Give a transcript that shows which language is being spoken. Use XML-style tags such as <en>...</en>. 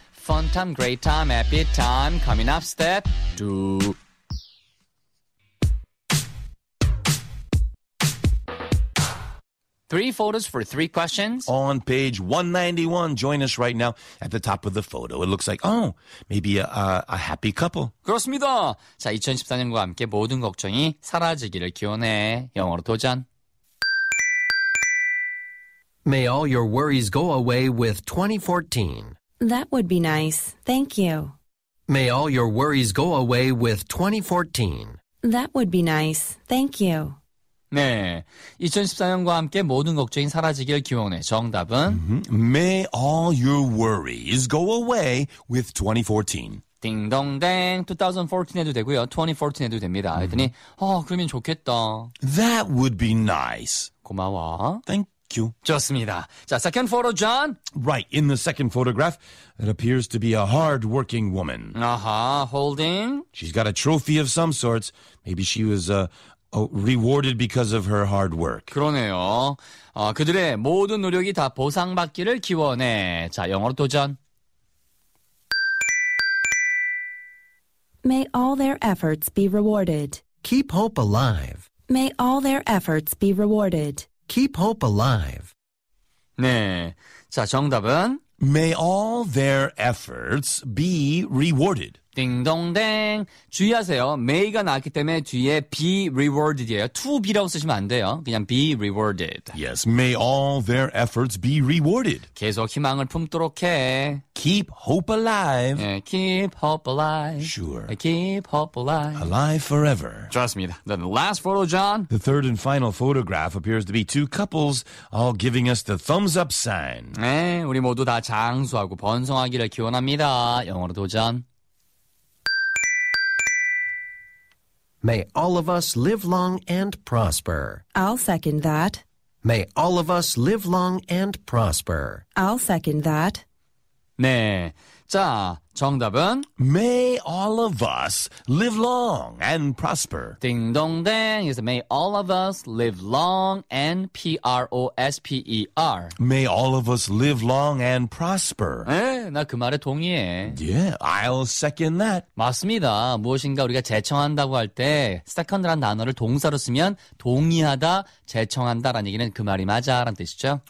<en>Fun time, great time, happy time. Coming up, step 2. Three photos for three questions. On page 191, join us right now at the top of the photo. It looks like, maybe a happy couple.</en> <ko>그렇습니다. 자, 2014년과 함께 모든 걱정이 사라지기를 기원해. 영어로 도전.</ko> <en>May all your worries go away with 2014. That would be nice. Thank you. May all your worries go away with 2014. That would be nice. Thank you.</en> <ko>네, 2014년과 함께 모든 걱정이 사라지길 기원해. 정답은</ko> <en>May all your worries go away with 2014.</en> <ko>딩동댕, 2014에도 되고요, 2014에도 됩니다. 그랬더니 그러면 좋겠다.</ko> <en>That would be nice.</en> <ko>고마워.</ko> <en>Thank you.</en> <ko>좋습니다. 자,</ko> <en>second photo, John. Right, in the second photograph, it appears to be a hard-working woman. Aha, holding. She's got a trophy of some sorts. Maybe she was rewarded because of her hard work.</en> <ko>그러네요. 그들의 모든 노력이 다 보상받기를 기원해. 자, 영어로 도전.</ko> <en>May all their efforts be rewarded. Keep hope alive. May all their efforts be rewarded. Keep hope alive.</en> <ko>네. 자, 정답은?</ko> <en>May all their efforts be rewarded.</en> <ko>띵동댕. 주의하세요. May가 나왔기 때문에 뒤에</ko> <en>be rewarded</en> <ko>이에요.</ko> <en>To be</en> <ko>라고 쓰시면 안 돼요. 그냥</ko> <en>be rewarded. Yes, may all their efforts be rewarded.</en> <ko>계속 희망을 품도록 해.</ko> <en>Keep hope alive.</en> <ko>네,</ko> <en>keep hope alive. Sure. Keep hope alive. Alive forever.</en> <ko>좋습니다.</ko> <en>Then the last photo, John. The third and final photograph appears to be two couples all giving us the thumbs up sign.</en> <ko>네, 우리 모두 다 장수하고 번성하기를 기원합니다. 영어로 도전.</ko> <en>May all of us live long and prosper. I'll second that. May all of us live long and prosper. I'll second that.</en> <ko>네. 자, 정답은?</ko> <en>May all of us live long and prosper. 띵동댕. It's may all of us live long and prosper. May all of us live long and prosper.</en> <ko>에, 나 그 말에 동의해.</ko> <en>Yeah, I'll second that.</en> <ko>맞습니다. 무엇인가 우리가 재청한다고 할 때 second라는 단어를 동사로 쓰면 동의하다, 재청한다라는 얘기는 그 말이 맞아라는 뜻이죠.</ko>